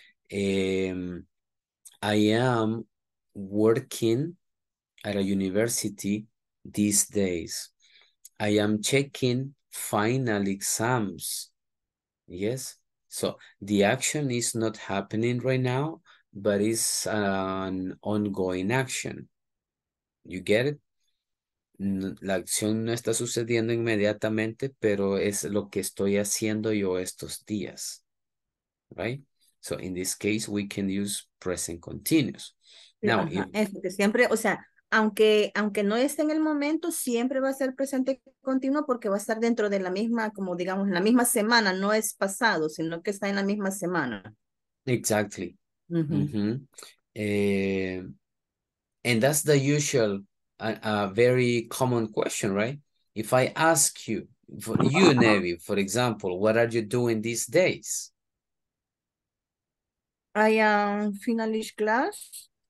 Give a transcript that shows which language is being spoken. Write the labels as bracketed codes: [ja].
[en] I am working at a university these days. I am checking final exams. Yes? So the action is not happening right now, but it's an ongoing action. You get it? [es] La acción no está sucediendo inmediatamente, pero es lo que estoy haciendo yo estos días. [en] Right? So in this case, we can use present continuous. [es] Now, aunque no esté en el momento, siempre va a ser presente continuo porque va a estar dentro de la misma, como digamos, en la misma semana, no es pasado, sino que está en la misma semana. [en] Exactly. Mm-hmm. Mm-hmm. And that's the usual, a very common question, right? If I ask you, for you, Nevi, for example, what are you doing these days? I am finished class.